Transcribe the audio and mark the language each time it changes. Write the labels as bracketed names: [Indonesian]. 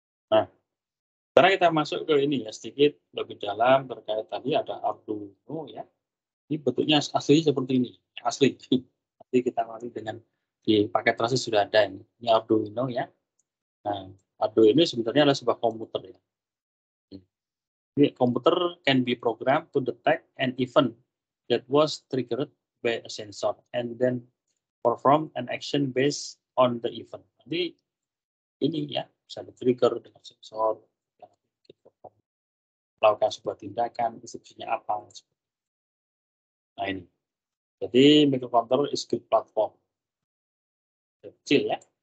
[Indonesian] Nah, sekarang kita masuk ke ini ya, sedikit lebih dalam terkait tadi ada Arduino ya. Ini bentuknya asli seperti ini, asli. Nanti kita lari dengan di paket transis sudah ada ini Arduino ya. Nah, Arduino sebenarnya adalah sebuah komputer ya. Ini komputer [English] can be programmed to detect an event that was triggered by a sensor and then perform an action based on the event. [Indonesian] Jadi ini ya, bisa di trigger dengan sensor, melakukan sebuah tindakan, instruksinya apa. Nah ini, jadi [English] microcontroller is good platform. [Indonesian] Kecil ya.